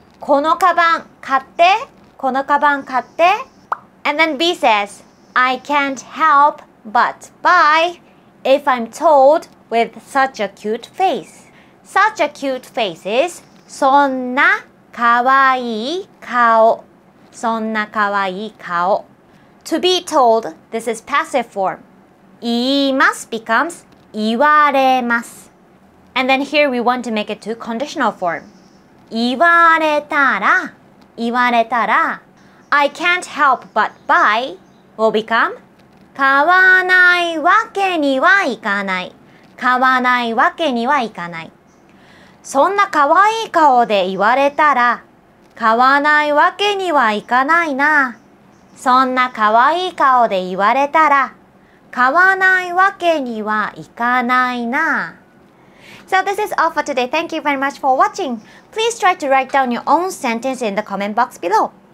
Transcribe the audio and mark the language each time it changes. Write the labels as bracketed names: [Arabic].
[Japanese] このカバン買って、このカバン買って。 [English] And then B says,I can't help but buy if I'm told with such a cute face. Such a cute face is [Japanese] そんなかわいい顔。そんなかわいい顔。 [English] To be told, this is passive form. [Japanese] 言います [English] becomes [Japanese] 言われます。 [English] And then here we want to make it to conditional form. [Japanese] 言われたら、言われたら。 [English] I can't help but buy. Will become [Japanese] 買わないわけにはいかない。買わないわけにはいかない。そんな可愛い顔で言われたら、買わないわけにはいかないな。そんな可愛い顔で言われたら、買わないわけにはいかないな。 [English] So this is all for today. Thank you very much for watching. Please try to write down your own sentence in the comment box below.